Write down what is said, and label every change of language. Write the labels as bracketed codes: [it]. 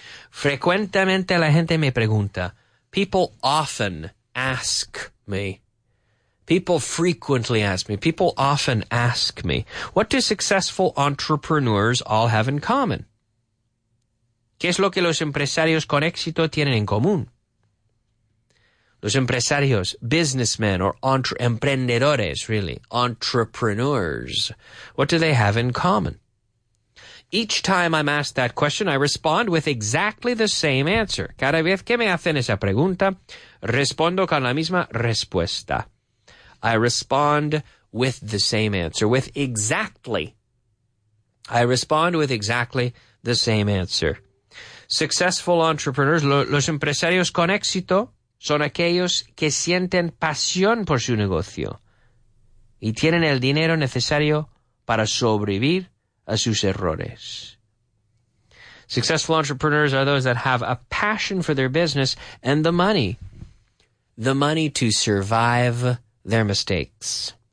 [es] Frecuentemente la gente me pregunta. [en] People often ask me. People frequently ask me. People often ask me. What do successful entrepreneurs all have in common? [es] ¿Qué es lo que los empresarios con éxito tienen en común? Los empresarios, [en] businessmen or emprendedores, really, entrepreneurs. What do they have in common? Each time I'm asked that question, I respond with exactly the same answer. [es] Cada vez que me hacen esa pregunta, respondo con la misma respuesta. [en] I respond with the same answer, with exactly. I respond with exactly the same answer. Successful entrepreneurs, [es] los empresarios con éxito, son aquellos que sienten pasión por su negocio y tienen el dinero necesario para sobrevivir a sus errores. [en] Successful entrepreneurs are those that have a passion for their business and the money to survive their mistakes.